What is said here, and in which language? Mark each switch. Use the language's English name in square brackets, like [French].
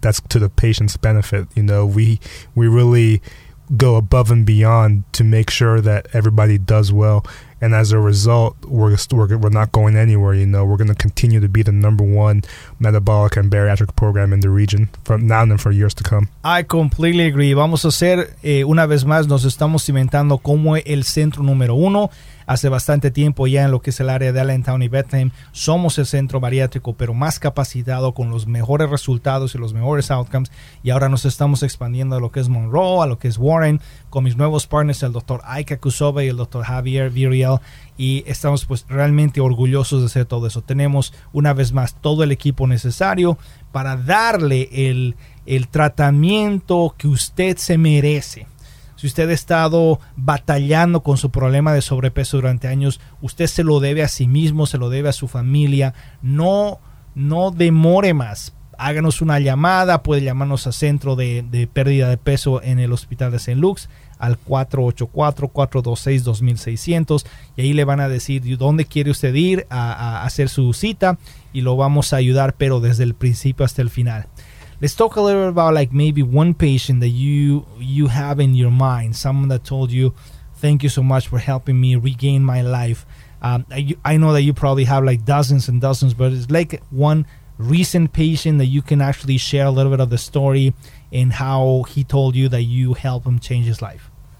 [English] That's to the patient's benefit. You know, we really go above and beyond to make sure that everybody does well. And as a result, we're not going anywhere. You know, we're going to continue to be the number one metabolic and bariatric program in the region from now and for years to come. I completely agree. [Spanish] Vamos a hacer una vez más, nos estamos cimentando como el centro número uno. Hace bastante tiempo ya en lo que es el área de Allentown y Bethlehem, somos el centro bariátrico, pero más capacitado, con los mejores resultados y los mejores outcomes. Y ahora nos estamos expandiendo a lo que es Monroe, a lo que es Warren, con mis nuevos partners, el doctor Ike Akusobe y el doctor Javier Viriel. Y estamos pues realmente orgullosos de hacer todo eso. Tenemos una vez más todo el equipo necesario para darle el tratamiento que usted se merece. Si usted ha estado batallando con su problema de sobrepeso durante años, usted se lo debe a sí mismo, se lo debe a su familia. No demore más. Háganos una llamada. Puede llamarnos a Centro de Pérdida de Peso en el Hospital de St. Luke's al 484-426-2600. Y ahí le van a decir dónde quiere usted ir a hacer su cita y lo vamos a ayudar, pero desde el principio hasta el final. [English] Let's talk a little bit about like maybe one patient that you have in your mind, someone that told you, thank you so much for helping me regain my life. I know that you probably have like dozens and dozens, but it's like one recent patient that you can actually share a little bit of the story and how he told you that you helped him change his life.